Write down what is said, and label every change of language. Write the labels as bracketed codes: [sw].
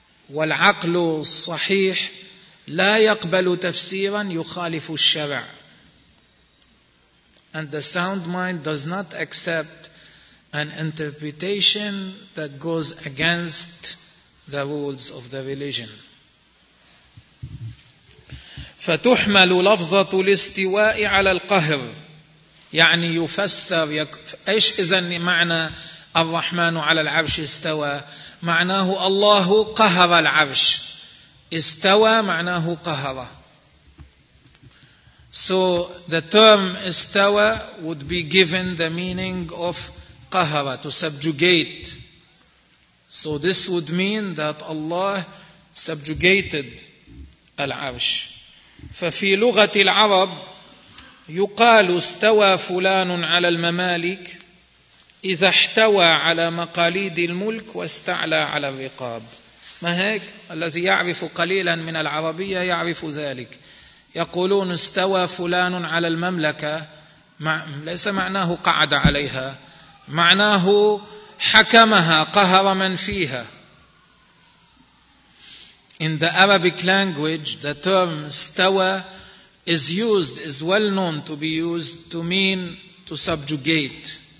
[ar] والعقل الصحيح لا يقبل تفسيرا يخالف الشرع. [en] And the sound mind does not accept an interpretation that goes against the rules of the religion. [ar] فتحمل لفظة الاستواء على القهر. يعني يفسر, ايش إذن معنى الرحمن على العرش استوى؟ معناه الله قهر العرش. استوى معناه قهر. [en] So the term استوى would be given the meaning of قَهَرَ, to subjugate. So this would mean that Allah subjugated العرش. [ar] ففي لغة العرب يقال استوى فلان على الممالك إذا احتوى على مقاليد الملك واستعلى على الرقاب. ما هيك؟ الذي يعرف قليلا من العربية يعرف ذلك. يقولون استوى فلان على المملكة, ليس معناه قعد عليها, معناه حكمها, قهر من فيها. [en] In the Arabic language, the term استوى is used, is well known to be used to mean to subjugate.